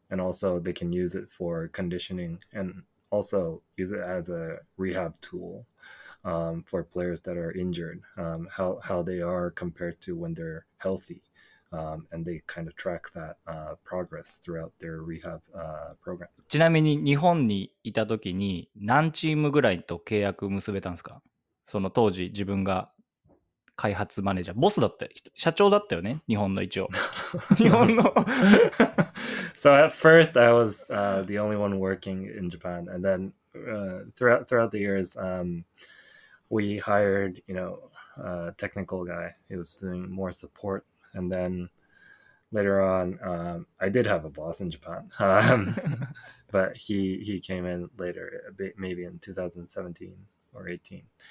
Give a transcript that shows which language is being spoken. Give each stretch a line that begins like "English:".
English: And also they can use it for conditioning and also use it as a rehab tool for players that are injured, how they are compared to when they're healthy. And they kind of track that progress throughout their rehab program.
Japanese: ちなみに日本にいた時に何チームぐらいと契約結べたんですか？その当時自分が開発マネージャー、ボスだった人、社長だったよね？日本の一応。日本の。
English: So at first I was the only one working in Japan, and then throughout the years, we hired, you know, a technical guy who was doing more support. And then later on, I did have a boss in Japan, but he came in later, a bit, maybe in 2017 or 18.